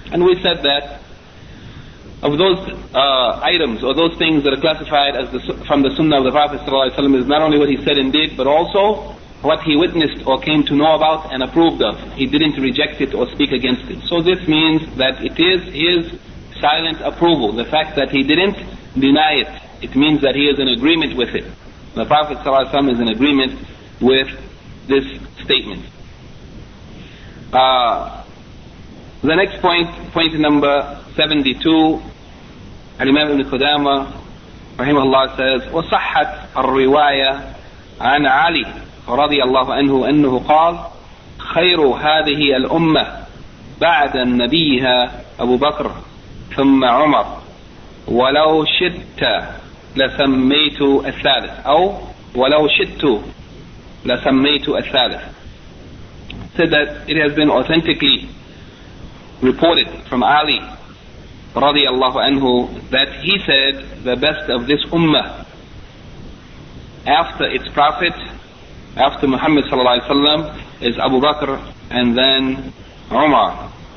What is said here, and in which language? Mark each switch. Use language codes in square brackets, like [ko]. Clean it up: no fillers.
[en] And we said that of those items, or those things that are classified as from the Sunnah of the Prophet صلى الله عليه وسلم, is not only what he said and did, but also what he witnessed or came to know about and approved of. He didn't reject it or speak against it. So this means that it is his silent approval. The fact that he didn't deny it, it means that he is in agreement with it. The Prophet ﷺ is in agreement with this statement. The next point, point number 72, Al-Imam Ibn Qudamah rahimahullah says, [ar] وَصَحَّتْ الرِّوَايَةَ عَنْ عَلِي رضي الله عنه أنه قال خير هذه الأمة بعد نبيها أبو بكر ثم عمر ولو شئت لسميت الثالث أو ولو شئت لسميت الثالث. [en] Said that it has been authentically reported from Ali رضي الله عنه that he said the best of this Ummah after its Prophet, after Muhammad sallallahu alayhi wa sallam, is Abu Bakr and then Umar.